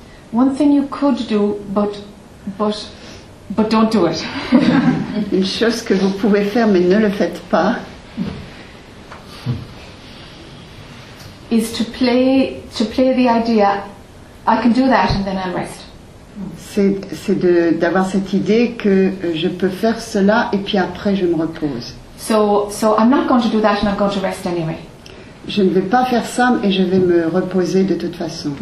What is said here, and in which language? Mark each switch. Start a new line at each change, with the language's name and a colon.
English: One thing you could do, but don't do it.
French: Une chose que vous pouvez faire, mais ne le faites pas.
English: Is to play the idea, I can do that and then I'll rest.
French: C'est d'avoir cette idée que je peux faire cela et puis après je me repose.
English: So I'm not going to do that and I'm going to rest anyway.
French: Je ne vais pas faire ça et je vais me reposer de toute façon.